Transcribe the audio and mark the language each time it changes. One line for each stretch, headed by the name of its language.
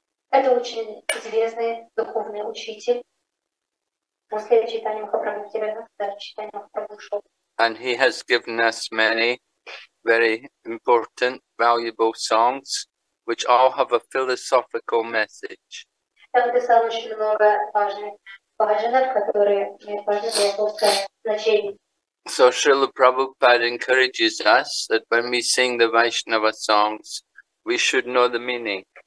Russian: Это очень известный духовный учитель. После Чайтаньи Махапрабху,
English: And he has given us many very important, valuable songs, which all have a philosophical message.
Russian: Он написал очень много важных баджанов, которые важны для духовного значения.
English: So Srila Prabhupada encourages us that when we sing the Vaishnava songs, we should know the meaning.